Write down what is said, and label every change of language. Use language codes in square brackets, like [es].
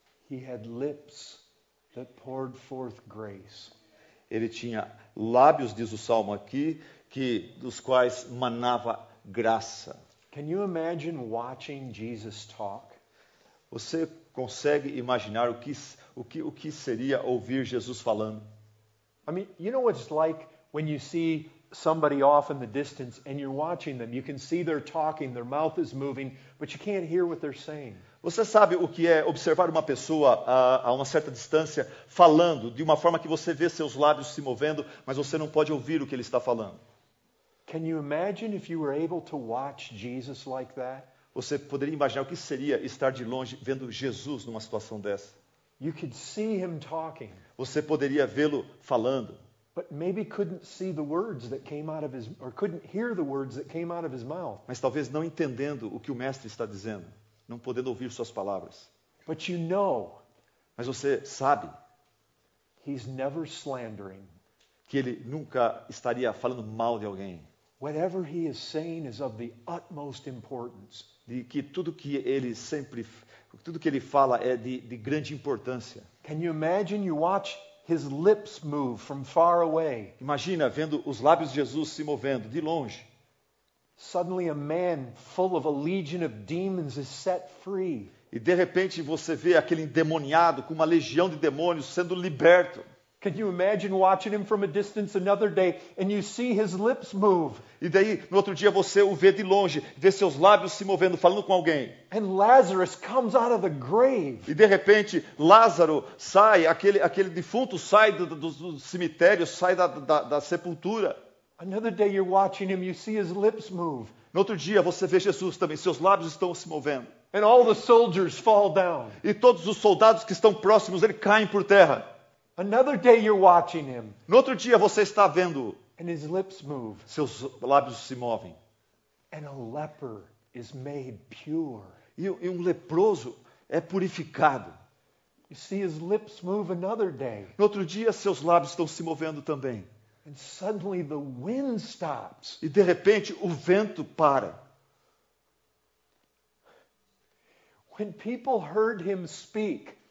[en] He had lips that poured forth grace. [pt] Ele tinha lábios, diz o salmo aqui, que dos quais manava graça. [en] Can you imagine watching Jesus talk? [pt] Você consegue imaginar o que seria ouvir Jesus falando? [en] I mean, you know what it's like when you see somebody off in the distance and you're watching them. You can see they're talking, their mouth is moving, but you can't hear what they're saying. [pt] Você sabe o que é observar uma pessoa a uma certa distância falando de uma forma que você vê seus lábios se movendo, mas você não pode ouvir o que ele está falando. [en] Can you imagine if you were able to watch Jesus like that? [pt] Você poderia imaginar o que seria estar de longe vendo Jesus numa situação dessa? [en] You could see him talking. [pt] Você poderia vê-lo falando. [en] But maybe couldn't see the words that came out of his, or couldn't hear the words that came out of his mouth. [pt] Mas talvez não entendendo o que o mestre está dizendo, não podendo ouvir suas palavras. [en] But you know, [pt] mas você sabe, [en] he's never slandering. [pt] Que ele nunca estaria falando mal de alguém. [en] Whatever he is saying is of the utmost importance. [pt] De que tudo que ele sempre, tudo que ele fala é de grande importância. [en] Can you imagine you watch his lips move from far away. [pt] Imagina vendo os lábios de Jesus se movendo de longe. [en] Suddenly a man full of a legion of demons is set free. [pt] E de repente você vê aquele endemoniado com uma legião de demônios sendo liberto. [en] Can you imagine watching him from a distance another day and you see his lips move? [pt] E daí, no outro dia você o vê de longe, vê seus lábios se movendo falando com alguém. [en] And Lazarus comes out of the grave. [pt] E de repente, Lázaro sai, aquele defunto sai do cemitério, sai da sepultura. [en] Another day you're watching him, you see his lips move. [pt] No outro dia você vê Jesus também, seus lábios estão se movendo. [en] And all the soldiers fall down. [pt] E todos os soldados que estão próximos, ele caem por terra. [en] Another day you're watching him. [pt] No outro dia você está vendo. [en] And his lips move. [pt] Seus lábios se movem. [en] And a leper is made pure. [pt] E um leproso é purificado. [en] You see his lips move another day. [pt] No outro dia seus lábios estão se movendo também. [en] And suddenly the wind stops. [pt] E de repente o vento para. [en] When people heard him speak,